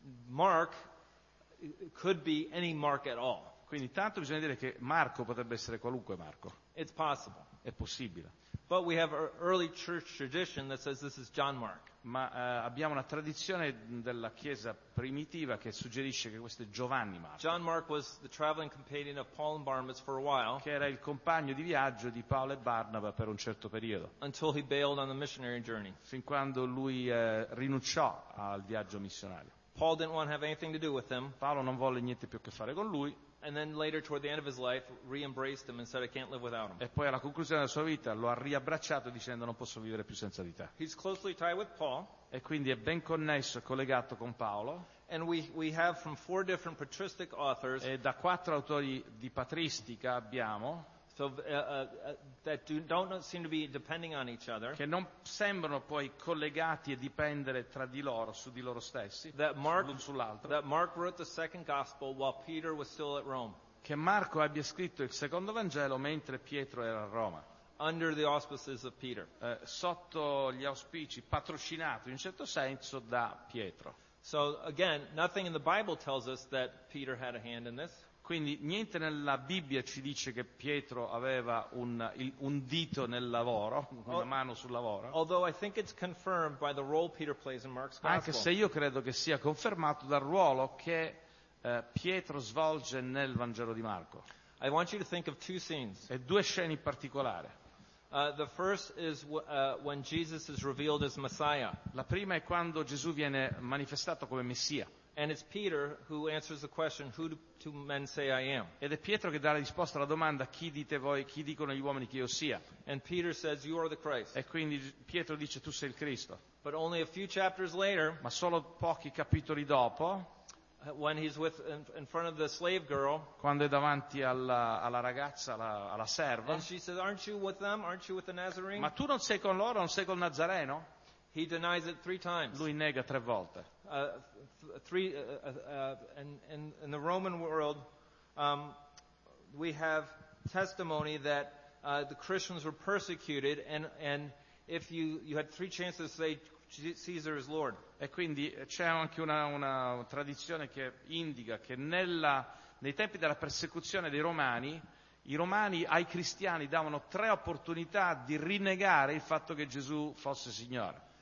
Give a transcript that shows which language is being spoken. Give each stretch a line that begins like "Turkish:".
English: Mark it could be any Mark at all.
Italian: Quindi tanto bisogna dire che Marco potrebbe essere qualunque Marco.
English: It's possible.
Italian: È possibile.
English: But we have early church tradition that says this is John Mark.
Italian: Ma abbiamo una tradizione della chiesa primitiva che suggerisce che questo è Giovanni Marco.
English: John Mark was the traveling companion of Paul and Barnabas for a while.
Italian: Che era il compagno di viaggio di Paolo e Barnaba per un certo periodo.
English: Until he bailed on the missionary journey.
Italian: Fin quando lui rinunciò al viaggio missionario.
English: Paul didn't want to have anything to do with him.
Italian: Paolo non volle niente più che fare con lui.
English: And then later, toward the end of his life, re-embraced him and said, "I can't live without him."
Italian: E poi alla conclusione della sua vita lo ha riabbracciato dicendo, "Non posso vivere più senza di te."
English: He's closely tied with Paul.
Italian: E quindi è ben connesso, collegato con Paolo.
English: And we have from four different patristic authors.
Italian: E da quattro autori di patristica abbiamo.
English: that don't seem to be depending on each other.
Italian: Che non sembrano poi collegati e dipendere tra di loro, su di loro stessi, l'un sull'altro.
English: That Mark wrote the second gospel while Peter was still at Rome.
Italian: Che Marco abbia scritto il secondo Vangelo mentre Pietro era a Roma.
English: Under the auspices of Peter.
Italian: Sotto gli auspici, patrocinato in un certo senso da Pietro.
English: So again, nothing in the Bible tells us that Peter had a hand in this.
Italian: Quindi niente nella Bibbia ci dice che Pietro aveva un dito nel lavoro, una mano sul lavoro.
English: Although I think it's confirmed by the role Peter plays in Mark's gospel.
Italian: Anche se io credo che sia confermato dal ruolo che Pietro svolge nel Vangelo di Marco.
English: I want you to think of two scenes.
Italian: E due scene in particolare.
English: The first is when Jesus is revealed as Messiah.
Italian: La prima è quando Gesù viene manifestato come Messia.
English: And it's Peter who answers the question, who do men say I am?
Italian: Ed è Pietro che dà la risposta alla domanda, chi dite voi, chi dicono gli uomini che io sia?
English: And Peter says, you are the Christ.
Italian: E quindi Pietro dice, tu sei il Cristo.
English: But only a few chapters later,
Italian: ma solo pochi capitoli dopo,
English: when he's with in front of the slave girl,
Italian: quando è davanti alla ragazza, alla serva,
English: and she says, aren't you with them? Aren't you with the Nazarene?
Italian: Ma tu non sei con loro, non sei col Nazareno?
English: He denies it three times.
Italian: Lui nega tre volte.
English: In the Roman world, we have testimony that the Christians were persecuted, and if you had three chances to say Caesar is Lord.
Italian: E quindi c'è anche una tradizione che indica che nei tempi della persecuzione dei Romani, i Romani ai cristiani davano tre opportunità di rinnegare il fatto che Gesù fosse Signore.